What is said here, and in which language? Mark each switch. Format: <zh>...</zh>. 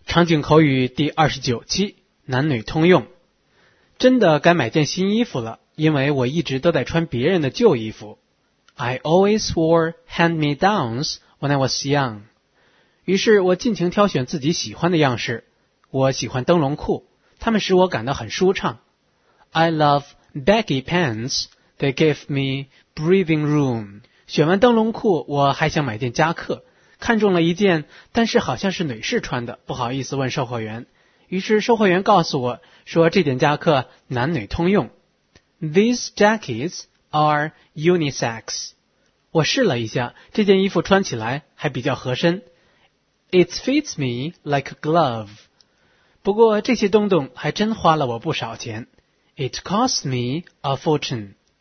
<zh>场景口语第29期，男女通用。真的该买件新衣服了，因为我一直都在穿别人的旧衣服。</zh> <en>I always wore hand-me-downs when I was young.</en> <zh>于是我尽情挑选自己喜欢的样式。我喜欢灯笼裤，它们使我感到很舒畅。</zh> <en>I love baggy pants. They give me breathing room.</en> <zh>选完灯笼裤，我还想买件夹克。看中了一件，但是好像是女士穿的，不好意思问售货员。于是售货员告诉我说，这件夹克男女通用。</zh> <en>These jackets are unisex.</en> <zh>我试了一下，这件衣服穿起来还比较合身。</zh> <en>It fits me like a glove.</en> <zh>不过这些东东还真花了我不少钱。</zh> <en>It cost me a fortune.</en>